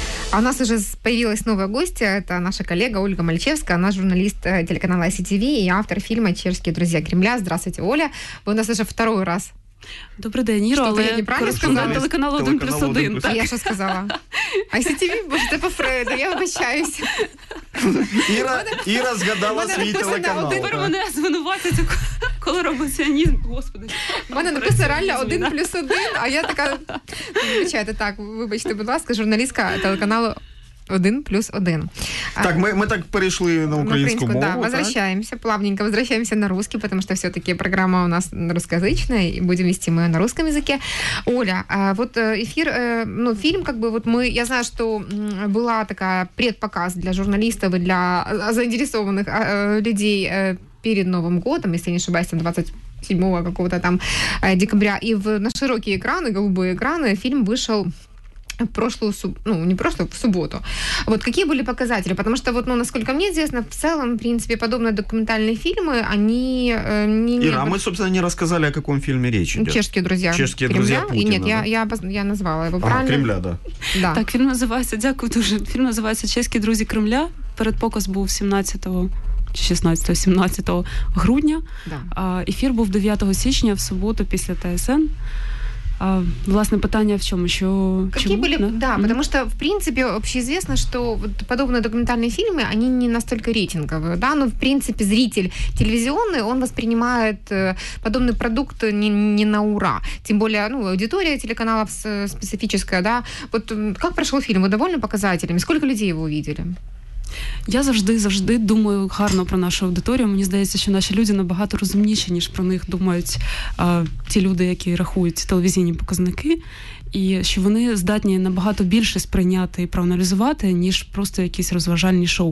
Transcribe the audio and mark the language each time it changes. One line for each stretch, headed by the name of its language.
Russian: А у нас уже появилась новая гостья. Это наша коллега Ольга Мальчевская. Она журналист телеканала ICTV и автор фильма «Чешские друзья Кремля». Здравствуйте, Оля. Вы у нас уже второй раз. Добрый день, Ира. Что-то я неправильно сказала. Телеканал 1+1. Да, я что сказала? ICTV, боже, ты по Фрейду, я обращаюсь.
Ukrainian: Ира згадала свій телеканал. Тепер мене звинуватить у колорабуціонізм. Господи. У мене написано реально 1+1, а я така... Вибачайте, так, вибачте, будь ласка, журналістка телеканалу 1+1.
Russian: Так, мы так перешли на украинскую мову. Да, возвращаемся, плавненько возвращаемся на русский, потому что все-таки программа у нас русскоязычная, и будем вести мы ее на русском языке. Оля, вот эфир, ну, фильм, как бы, вот мы, я знаю, что была такая предпоказ для журналистов и для заинтересованных людей перед Новым годом, если я не ошибаюсь, 27-го какого-то там декабря, и на широкие экраны, голубые экраны, фильм вышел в субботу. Вот какие были показатели? Потому что, вот, ну, насколько мне известно, в целом, в принципе, подобные документальные фильмы, они не... Ира, а мы, собственно, не рассказали, о каком фильме речь идет. «Чешские друзья». «Чешские Кремля? Друзья Путина». И нет, я назвала его правильно. А, «Кремля», да. Да. Так, фильм называется,
Ukrainian: дякую дуже,
Russian: фильм называется «Чешские друзья Кремля».
Ukrainian: Передпоказ був 16-17 грудня.
Russian: Да.
Ukrainian: Ефір був 9 січня, в суботу, після ТСН. Власне, питання в чому? Що,
Russian: какие
Ukrainian: чому?
Russian: Были, да, да, потому что, в принципе, общеизвестно, что вот подобные документальные фильмы, они не настолько рейтинговые, да, но, в принципе, зритель телевизионный, он воспринимает подобный продукт не на ура. Тем более, ну, аудитория телеканалов специфическая, да. Вот как прошел фильм? Вы довольны показателями? Сколько людей его увидели?
Ukrainian: Я завжди думаю гарно про нашу аудиторію. Мені здається, що наші люди набагато розумніші, ніж про них думають ті люди, які рахують телевізійні показники, і що вони здатні набагато більше сприйняти і проаналізувати, ніж просто якісь розважальні шоу.